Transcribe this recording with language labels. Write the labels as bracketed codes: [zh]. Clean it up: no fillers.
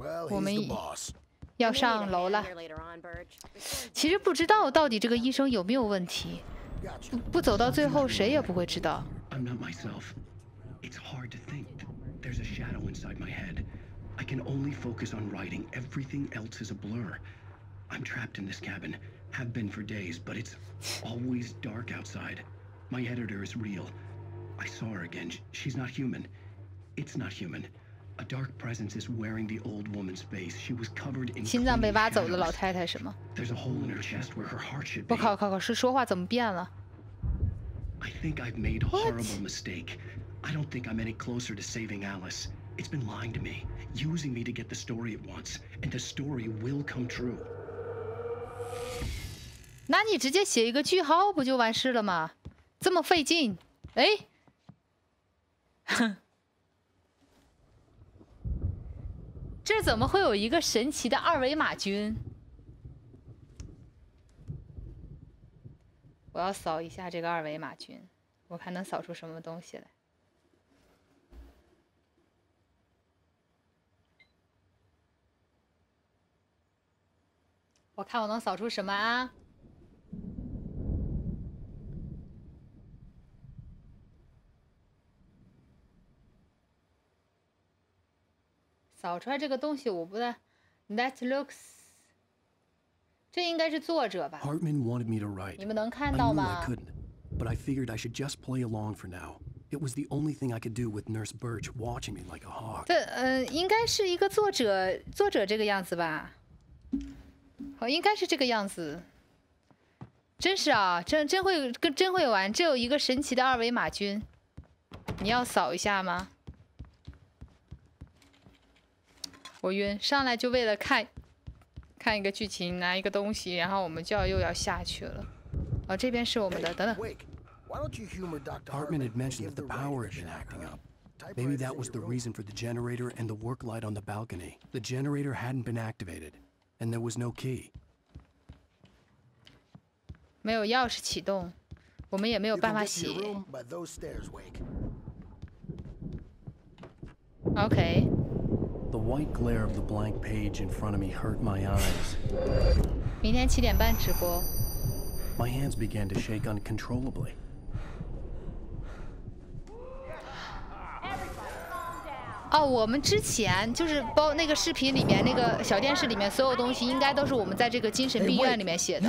[zh] 我们要上楼了。其实不知道到底这个医生有没有问题，不走到最后谁也不会知道。 [en] I'm not myself. It's hard to think. There's a shadow inside my head. I can only focus on writing. Everything else is a blur. I'm trapped in this cabin, have been for days, but it's always dark outside. My editor is real. I saw her again. She's not human. It's not human. A dark presence is wearing the old woman's face. She was covered in. [zh] 心脏被挖走的老太太什么 [en] ？There's a hole in her chest where her heart should be. [zh] 我靠靠靠！是说话怎么变了 [en] ？I think I've made a horrible mistake. I don't think I'm any closer to saving Alice. It's been lying to me, using me to get the story it wants, and the story will come true. [zh] 那你直接写一个句号不就完事了吗？这么费劲，哎，这怎么会有一个神奇的二维码君？我要扫一下这个二维码君，我看能扫出什么东西来。我看我能扫出什么啊？扫出来这个东西，我不太。 [en] That looks， [zh] 这应该是作者吧 [en] ？Hartman wanted me to write. [zh] 你们能看到吗 [en] ？I knew I couldn't, but I figured I should just play along for now. It was the only thing I could do with Nurse Birch watching me like a hawk. [zh] 这应该是一个作者这个样子吧？哦，应该是这个样子。真是啊，真会玩，这有一个神奇的二维码君，你要扫一下吗？我晕，上来就为了看一个剧情，拿一个东西，然后我们就要又要下去了。哦，这边是我们的，等等。 [en] Why don't you humor Dr. Hartman had mentioned that the power had been acting up. Maybe that was the reason for the generator and the work light on the balcony. The generator hadn't been activated. And there was no key. [zh] 没有钥匙启动，我们也没有办法写。 [en] Okay. The white glare of the blank page in front of me hurt my eyes. [zh] 明天七点半直播。 [en] My hands began to shake uncontrollably. [zh] 哦，我们之前就是包那个视频里面那个小电视里面所有东西，应该都是我们在这个精神病院里面写的。